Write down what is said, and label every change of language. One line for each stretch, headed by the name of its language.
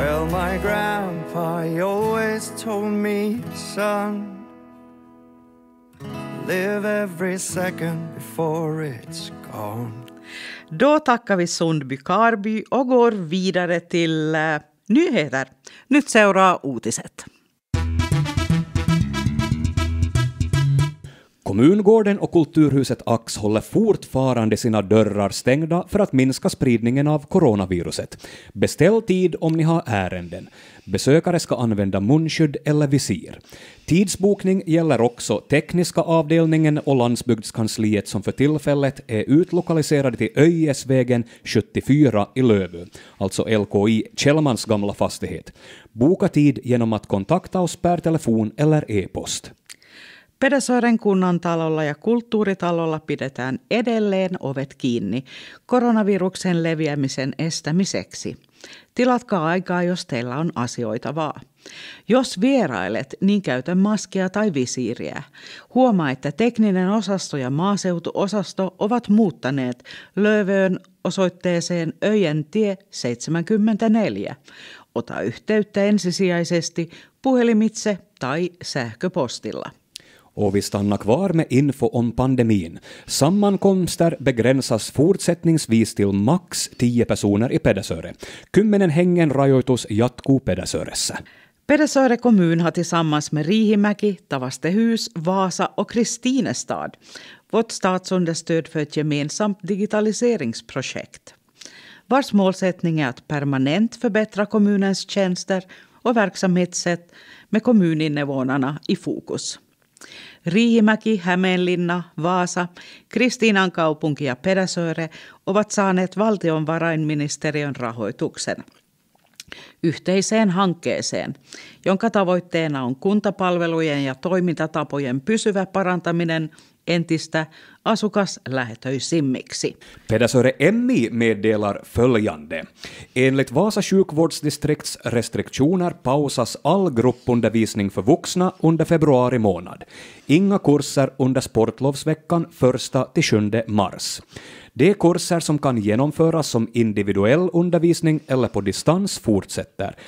English: my grandpa always told me, son, live every second before it's gone.
Swedish: Då tackar vi Sundby Karby och går vidare till nyheter.
Finnish: Nyt seuraa uutiset.
Swedish: Kommungården och kulturhuset Ax håller fortfarande sina dörrar stängda för att minska spridningen av coronaviruset. Beställ tid om ni har ärenden. Besökare ska använda munskydd eller visir. Tidsbokning gäller också tekniska avdelningen och landsbygdskansliet som för tillfället är utlokaliserade till Öjesvägen 74 i Lövö, alltså LKI Kjellmans gamla fastighet. Boka tid genom att kontakta oss per telefon eller e-post.
Finnish: Pedersören kunnantalolla ja kulttuuritalolla pidetään edelleen ovet kiinni koronaviruksen leviämisen estämiseksi. Tilatkaa aikaa, jos teillä on asioita vaan. Jos vierailet, niin käytä maskia tai visiiriä. Huomaa, että tekninen osasto ja maaseutuosasto ovat muuttaneet Lövöön osoitteeseen Öjentie 74. Ota yhteyttä ensisijaisesti puhelimitse tai sähköpostilla.
Swedish: Och vi stannar kvar med info om pandemin. Sammankomster begränsas fortsättningsvis till max 10 personer i Pedersöre.
Finnish: Kymmenen hengen rajoitus jatkuu Pedersöressä.
Swedish: Pedersöre kommun har tillsammans med Riihimäki, Tavastehus, Vaasa och Kristinestad fått statsunderstöd för ett gemensamt digitaliseringsprojekt. Vars målsättning är att permanent förbättra kommunens tjänster och verksamhetssätt med kommuninvånarna i fokus.
Finnish: Riihimäki, Hämeenlinna, Vaasa, Kristiinan kaupunki ja Pedersöre ovat saaneet valtionvarainministeriön rahoituksen yhteiseen hankkeeseen, jonka tavoitteena on kuntapalvelujen ja toimintatapojen pysyvä parantaminen entistä asukas lähetöisimmiksi.
Swedish: Pedersöre MI meddelar följande. Enligt Vasa sjukvårdsdistrikts restriktioner pausas all gruppundervisning för vuxna under februari månad. Inga kurser under sportlovsveckan 1-7 mars. De kurser som kan genomföras som individuell undervisning eller på distans fortsätter.